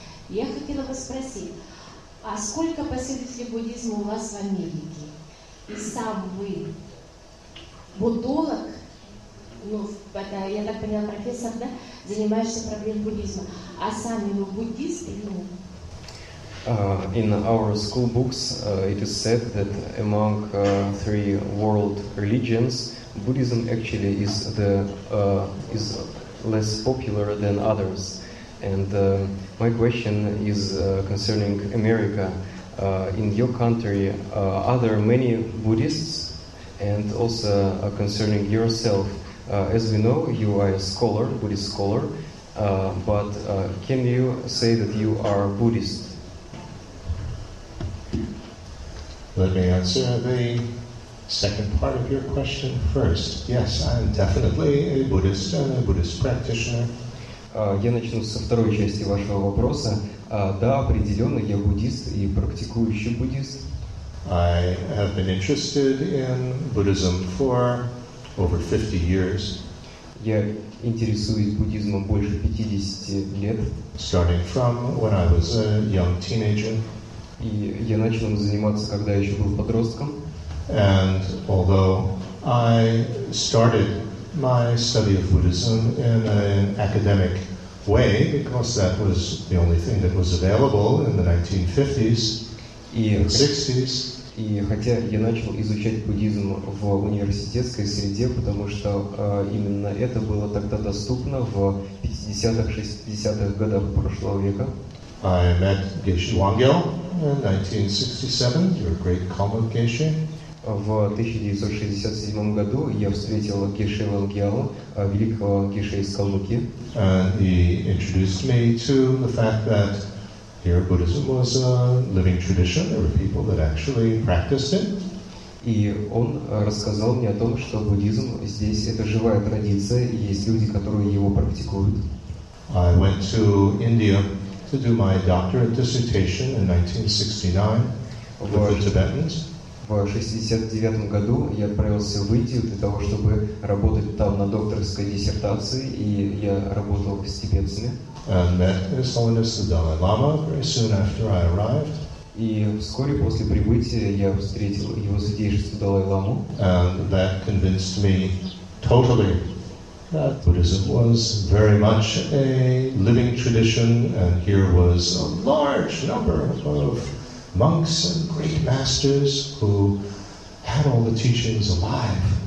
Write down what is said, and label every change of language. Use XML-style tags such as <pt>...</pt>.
<ru>Я хотела бы спросить, а сколько последователей буддизма у вас в Америке? И сам вы буддолог, ну, это, я так поняла, профессор, да, занимаешься проблемой буддизма, а сами вы буддисты? Ну?</ru> <en>In our school books, it is said that among three world religions, Buddhism actually is the is less popular than others. And my question is concerning America. In your country, are there many Buddhists? And also concerning yourself, as we know, you are a scholar, Buddhist scholar, but can you say that you are Buddhist? Let me answer the second part of your question first. Yes, I'm definitely a Buddhist and a Buddhist practitioner.</en> <ru>Я начну со второй части вашего вопроса. Да, определенно, я буддист и практикующий буддист.</ru> <en>I have been interested in Buddhism for over 50 years.</en> <ru>Я интересуюсь буддизмом больше 50 лет.</ru> <en>Starting from when I was a young teenager.</en> <ru>И я начал им заниматься, когда еще был подростком.</ru> <en>And although I started my study of Buddhism in an academic way, because that was the only thing that was available in the 1950s and 60s.</en> <ru>И хотя я начал изучать буддизм в университетской среде, потому что именно это было тогда доступно в 50-х, 60-х годах прошлого века.</ru> <en>I met Geshe Wangyal in 1967, your great colleague Geshe.</en> <ru>В 1967 году я встретил Геше Вангьяла, великого Геше из Калмыкии.</ru> <en>And he introduced me to the fact that here Buddhism was a living tradition. There were people that actually practiced it.</en> <ru>И он рассказал мне о том, что буддизм здесь это живая традиция, и есть люди, которые его практикуют.</ru> <en>I went to India to do my doctorate dissertation in 1969 with the Tibetans.</en> <ru>В 69 году я отправился в Индию для того, чтобы работать там на докторской диссертации, и я работал с тибетцами.</ru> <en>And met His Holiness the Dalai Lama very soon after I arrived.</en> <ru>И вскоре после прибытия я встретил Его Святейшество Далай Ламу.</ru> <en>And that convinced me totally that Buddhism was very much a living tradition, and here was a large number of monks and great masters who had all the teachings alive.</en>